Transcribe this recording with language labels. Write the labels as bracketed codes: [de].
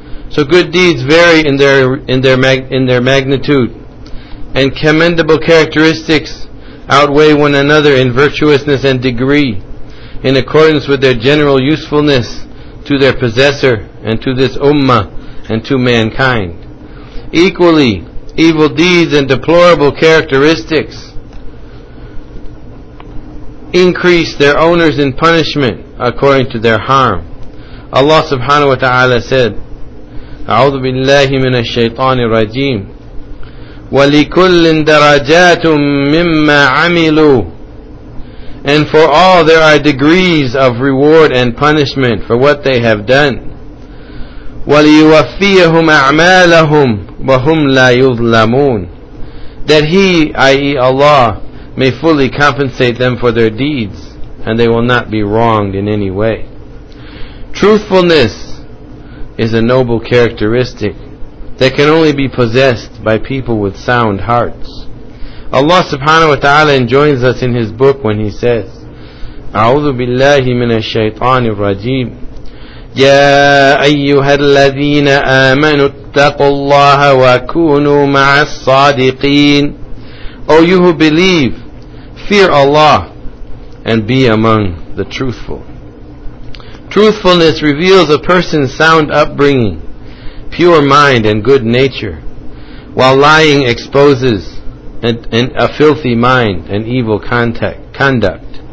[en] So good deeds vary in their magnitude, and commendable characteristics outweigh one another in virtuousness and degree, in accordance with their general usefulness to their possessor and to this ummah and to mankind. Equally, evil deeds and deplorable characteristics increase their owners in punishment according to their harm. [ar] Allah subhanahu wa ta'ala said, أعوذ بالله من الشيطان الرجيم ولكل درجات مما عملوا. [en] And for all there are degrees of reward and punishment for what they have done. [ar] وليوفيهم أعمالهم وهم لا يظلمون. [en] That He, i.e. Allah, may fully compensate them for their deeds, and they will not be wronged in any way. Truthfulness is a noble characteristic that can only be possessed by people with sound hearts. Allah subhanahu wa ta'ala enjoins us in His book when He says, [ar] أعوذ بالله من الشيطان الرجيم يا أيها الذين آمنوا اتقوا الله وكونوا مع الصادقين. [en] O you who believe, fear Allah and be among the truthful. Truthfulness reveals a person's sound upbringing, pure mind and good nature, while lying exposes a filthy mind and evil conduct.